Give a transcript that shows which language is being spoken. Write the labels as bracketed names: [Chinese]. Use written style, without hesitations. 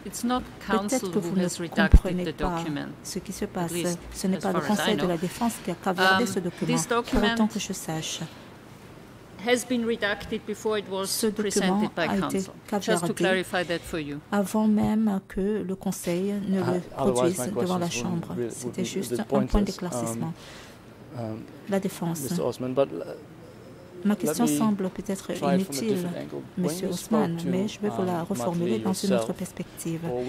[English] It's not counsel who has redacted the document. [French] Ce qui se passe, ce n'est pas le conseil de la défense qui a gardé ce document. Pour autant que je sache. [English] Has been redacted before it was presented by counsel. Just to clarify that for you. [French] Avant même que le conseil ne le produise devant la chambre, c'était juste un point d'éclaircissement. La défense. [English] Mr. Osman, but [French] ma question semble peut-être inutile, Monsieur Osman, mais je vais vous la reformuler dans une autre perspective.